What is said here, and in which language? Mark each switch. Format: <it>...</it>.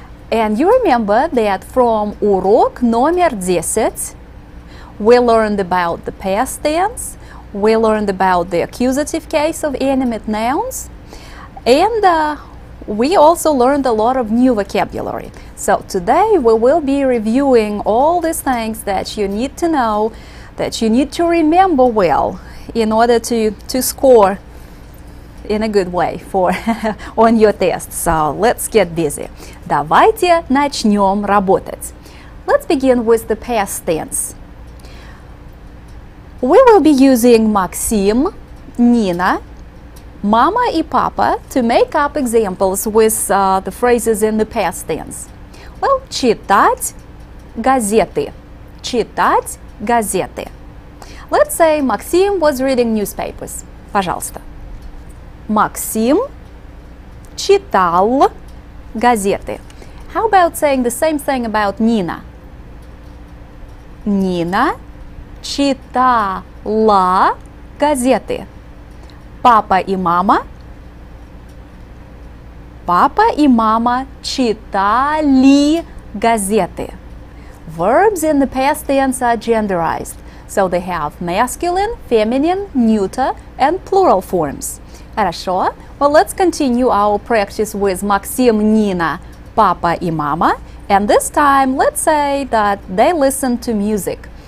<en>And you remember that from</en> <ru>урок номер 10</ru> <en>we learned about the past tense, we learned about the accusative case of inanimate nouns, and we also learned a lot of new vocabulary. So today we will be reviewing all these things that you need to know, that you need to remember well in order to score in a good way for on your test. So let's get busy.</en> <ru>Давайте начнем работать.</ru> <en>Let's begin with the past tense. We will be using Максим, Нина, мама и папа to make up examples with the phrases in the past tense.</en> <ru>Well, читать газеты. Читать газеты.</ru> <en>Let's say Максим was reading newspapers. Пожалуйста.</en> <ru>Максим читал газеты.</ru> <en>How about saying the same thing about Нина?</en> <ru>Нина читала газеты. Папа и мама? Папа и мама читали газеты.</ru> <en>Verbs in the past tense are genderized, so they have masculine, feminine, neuter, and plural forms. Хорошо. Well, let's continue our practice with Максим, Нина,</en> <ru>папа и мама.</ru> <en>And this time, let's say that they listen to music.</en>